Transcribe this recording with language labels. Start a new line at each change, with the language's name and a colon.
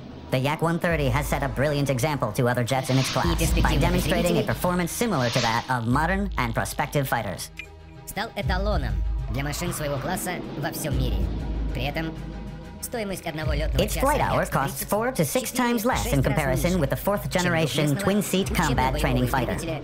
English: The Yak-130 has set a brilliant example to other jets in its class by demonstrating a performance similar to that of modern and prospective fighters.
Russian: Стал эталоном для машин своего класса во всем мире. При этом стоимость одного лётного часа.
English: Its flight hour costs 4 to 6 times less in comparison with the fourth generation twin-seat combat training fighter.